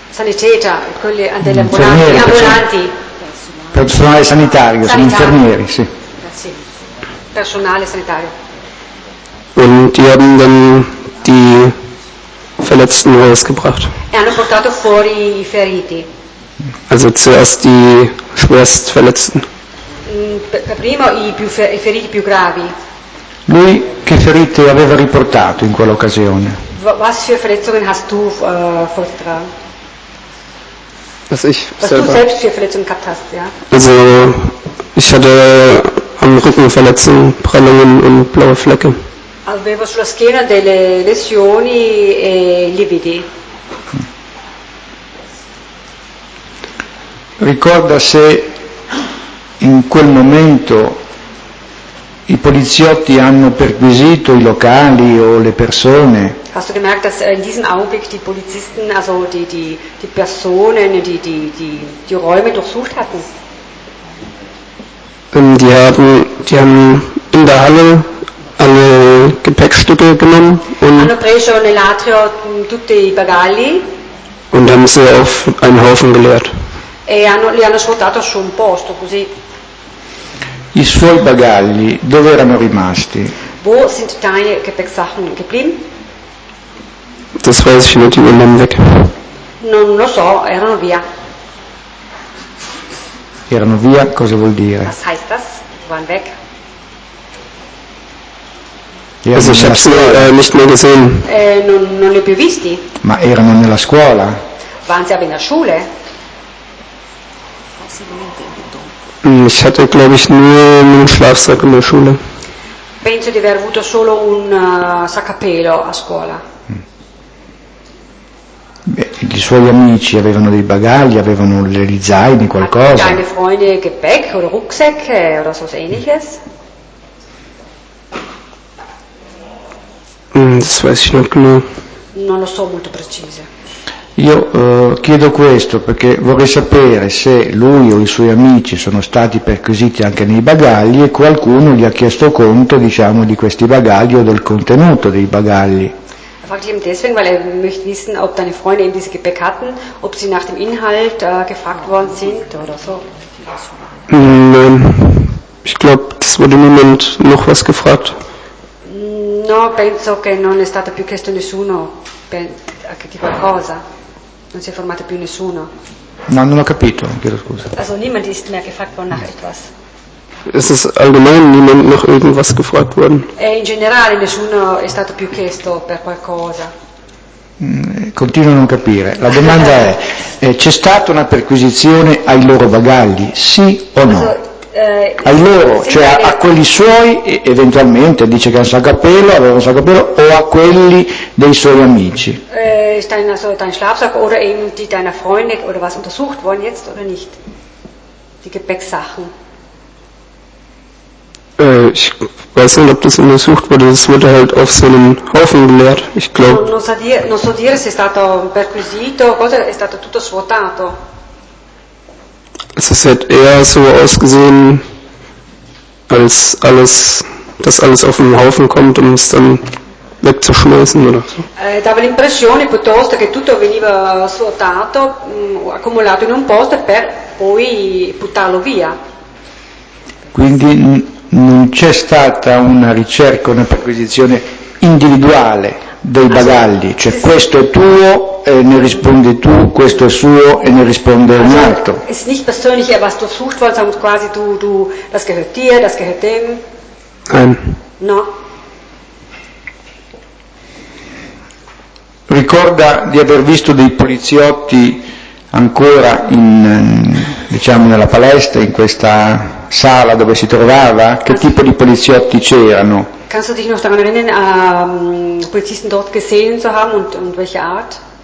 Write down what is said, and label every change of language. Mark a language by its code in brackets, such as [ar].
[it] Sanitäter, quelli delle ambulanti. Personale sanitario, sono infermieri, sì. Personale sanitario. [de] Und die haben dann die Verletzten rausgebracht. [it] E hanno portato fuori i feriti. [de] Also zuerst die Schwerstverletzten. [it] Prima i feriti più gravi. Lui che ferite aveva riportato in quell'occasione? [de] Was für Verletzungen hast du vorgetragen? Was ich was selber. Du selbst für Verletzungen gehabt hast, ja? Also ich hatte am Rücken Verletzungen, Prellungen und blaue Flecke. [it] Avevo sulla schiena delle lesioni e lividi. Ricorda se in quel momento i poliziotti hanno perquisito i locali o le persone? [de] Hast du gemerkt, dass in diesem Augenblick die Polizisten, also die Personen, die Räume durchsucht hatten? Die haben in der Halle alle Gepäckstücke genommen und [it] hanno preso nell'atrio tutti i bagagli [de] und haben sie auf einen Haufen geleert. [it] E li hanno svuotato su un posto così. I suoi bagagli dove erano rimasti? [de] Wo sind deine Gepäcksachen geblieben? Das weiß ich nicht, die waren weg. [it] Non lo so, erano via. Erano via, cosa vuol dire? [de] Was heißt das? Waren weg. Also ich habe sie nicht mehr gesehen. [it] Non li ho più visti. Ma erano nella scuola? [de] Waren sie aber in der Schule? Ich hatte, glaube ich, nur einen Schlafsack in der Schule. [it] Penso di aver avuto solo un sacco a pelo a scuola. I suoi amici avevano dei bagagli, avevano degli zaini, qualcosa. [de] Deine Freunde Gepäck oder Rucksack oder so ähnliches? Das weiß ich nicht genau. [it] Non lo so molto precise. Io chiedo questo perché vorrei sapere se lui o i suoi amici sono stati perquisiti anche nei bagagli e qualcuno gli ha chiesto conto, diciamo, di questi bagagli o del contenuto dei bagagli. [de] Fragte ihn deswegen, weil möchte wissen, ob deine Freunde eben diese Gepäck hatten, ob sie nach dem Inhalt gefragt worden sind oder so. Nein, ich glaube, es wurde niemand noch was gefragt. [it] No, penso che non è stato più chiesto nessuno di qualcosa. Non si è formato più nessuno. No, non ho capito, chiedo scusa. [de] Also niemand ist mehr gefragt worden nach etwas. Es ist allgemein niemand nach irgendwas gefragt worden. [it] E in generale nessuno è stato più chiesto per qualcosa. Continuo a non capire. La domanda è: c'è stata una perquisizione ai loro bagagli, sì o no? Ai loro, cioè a quelli suoi, eventualmente dice che ha un sacco a pelo, aveva un sacco a pelo, o a quelli dei suoi amici. [de] Ist dein also dein Schlafsack oder eben die deiner Freunde oder was untersucht worden jetzt oder nicht? Die Gepäcksachen. Ich weiß nicht, ob das untersucht wurde, das wurde halt auf so einen Haufen geleert, ich glaube. [it] Non so dire se è stato perquisito, cosa è stato tutto svuotato. [de] Es hat eher so ausgesehen, als alles, dass alles auf den Haufen kommt, um es dann wegzuschmeißen oder so. [it] Dava l'impressione piuttosto che tutto veniva svuotato, accumulato in un posto per poi buttarlo via. Quindi non c'è stata una ricerca, una perquisizione individuale dei bagagli, cioè questo è tuo e ne rispondi tu, questo è suo e ne risponde un altro. [de] Es ist nicht persönlich, was du sucht worden, sondern quasi du, das gehört dir, das gehört dem. Nein. [it] No. Ricorda di aver visto dei poliziotti ancora in, diciamo, nella palestra, in questa sala dove si trovava? Che tipo di poliziotti c'erano? [de] Kannst du dich noch daran erinnern, Polizisten dort gesehen zu haben und welche Art?